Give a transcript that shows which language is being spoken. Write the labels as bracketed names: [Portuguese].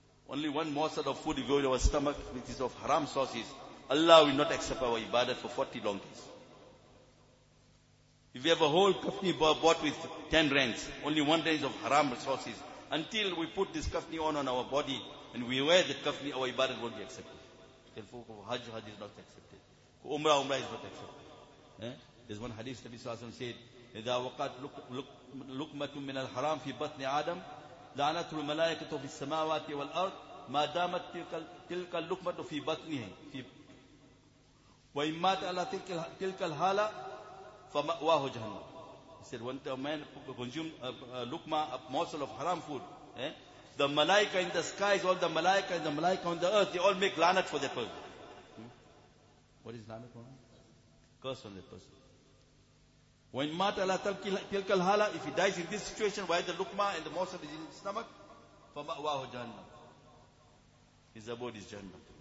[English] Only one morsel of food go in our stomach, which is of haram sources, Allah will not accept our ibadat for 40 long days. If we have a whole kafni bought with 10 rands, only one rand is of haram sources, until we put this kafni on our body and we wear the kafni, our ibadat won't be accepted. Therefore, hajj is not accepted. Umrah is not accepted. There's one hadith that Nabi Sallam said, [Arabic] إِذَا وَقَعَتْ لُقْمَةٌ مِنَ الْحَرَامِ فِي بَطْنِ آدَمَ لعنت الملائكة في السماوات والأرض ما دامت تلك اللقمة في بطنه وإن مات على تلك الحالة فمأواه جهنم. [English] He said, when a man consumed lukma, a morsel of haram food, the malaika in the skies, all the malaika and the malaika on the earth, they all make lanat for that person. What is lanat for? Curse on that person. When [Arabic] mata la tilkal hala, [English] if he dies in this situation while the lukma and the morsel is in his stomach, [Arabic] fama'wahu jahannam. [English] His abode is jahannam.